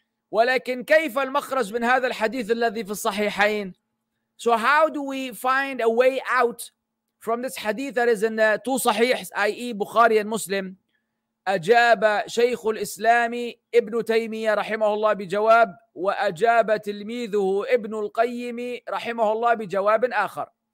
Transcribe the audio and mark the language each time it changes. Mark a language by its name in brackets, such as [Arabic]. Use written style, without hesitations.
[Arabic] ولكن كيف المخرج من هذا الحديث الذي في الصحيحين? [English] So how do we find a way out from this hadith that is in two صحيح, i.e. Bukhari and Muslim? [Arabic] أجاب شيخ الإسلام ابن تيمية رحمه الله بجواب وأجاب تلميذه ابن القيم رحمه الله بجواب آخر.